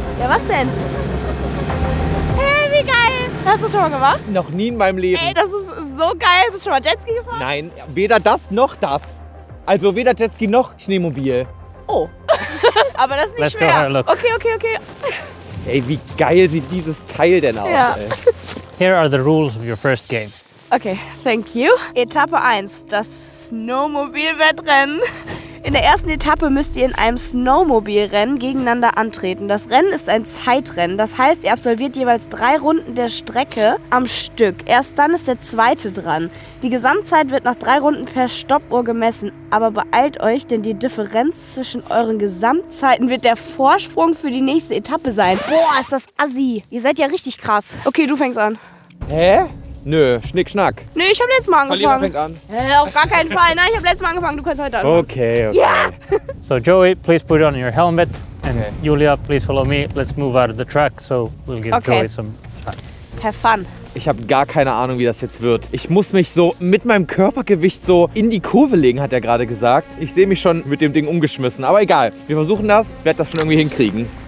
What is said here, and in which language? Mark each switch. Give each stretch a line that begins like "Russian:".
German: Ja, was denn? Hey, wie geil! Hast du schon mal gemacht? Noch nie in meinem Leben. Ey, das ist so geil. Bist du schon mal Jetski gefahren? Nein, weder das noch das. Also weder Jetski noch Schneemobil. Oh. Aber das ist nicht
English: Let's
German: schwer.
English: Go have a look. Okay.
German: Ey, wie geil sieht dieses Teil denn aus? Ja.
English: Here are the rules of your first game. Okay, thank you.
German: Etappe 1, das Snowmobil-Wettrennen. In der ersten Etappe müsst ihr in einem Snowmobil-Rennen gegeneinander antreten. Das Rennen ist ein Zeitrennen. Das heißt, ihr absolviert jeweils 3 Runden der Strecke am Stück. Erst dann ist der zweite dran. Die Gesamtzeit wird nach 3 Runden per Stoppuhr gemessen. Aber beeilt euch, denn die Differenz zwischen euren Gesamtzeiten wird der Vorsprung für die nächste Etappe sein. Boah, ist das assi. Ihr seid ja richtig krass. Okay, du fängst an. Hä? Nö, schnick, schnack. Nö, ich hab letztes Mal angefangen. Verlierer fängt an. Auf gar keinen Fall. Nein, ich hab letztes Mal angefangen. Du kannst heute anfangen. Okay.
English: Yeah! So, Joey, please put on your helmet. And okay. Julia, please follow me. Let's move out of the track, so we'll give okay. Joey some fun. Have fun.
German: Ich hab gar keine Ahnung, wie das jetzt wird. Ich muss mich so mit meinem Körpergewicht so in die Kurve legen, hat er gerade gesagt. Ich sehe mich schon mit dem Ding umgeschmissen. Aber egal, wir versuchen das. Werd das schon irgendwie hinkriegen.